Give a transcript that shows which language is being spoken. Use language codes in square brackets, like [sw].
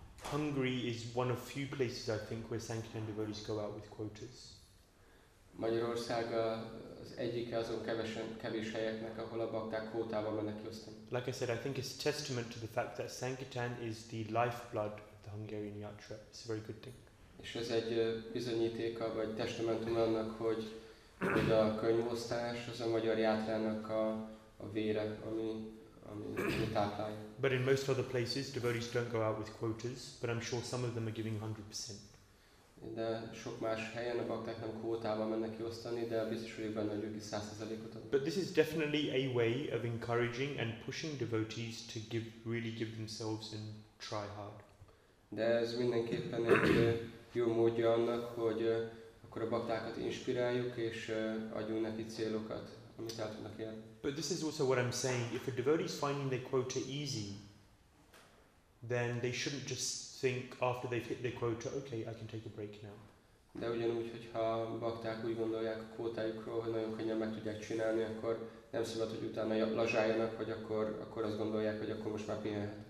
[en] Hungary is one of few places, I think, where Sankirtan devotees go out with quotas. [hu] Magyarország az egyik azon kevés helyeknek, ahol a bakták kvótával mennek kiosztani. [en] Like I said, I think it's testament to the fact that Sankirtan is the lifeblood of the Hungarian yatra. It's a very good thing. [hu] És ez egy bizonyítéka, vagy testamentum annak, hogy hogy a könyvosztás az a magyar játrának a vére, ami táplálja. [en] But in most other places, devotees don't go out with quotas, but I'm sure some of them are giving 100%. [hu] De sok más helyen a bakták nem kvótával mennek kiosztani, de biztos vagyok benne, hogy ők is 100%-ot adnak. [en] But this is definitely a way of encouraging and pushing devotees to really give themselves and try hard. [hu] De ez mindenképpen egy jó módja annak, hogy akkor a baktákat inspiráljuk és adjunk neki célokat, amit el tudnak érni. [en] But this is also what I'm saying. If a devotee is finding their quota easy, then they shouldn't just think after they've hit their quota, okay, I can take a break now. [hu] De ugyanúgy, hogyha a bakták úgy gondolják a kvótájukról, hogy nagyon könnyen meg tudják csinálni, akkor nem szabad, hogy utána lazsáljanak, vagy akkor azt gondolják, hogy akkor most már pihenhet.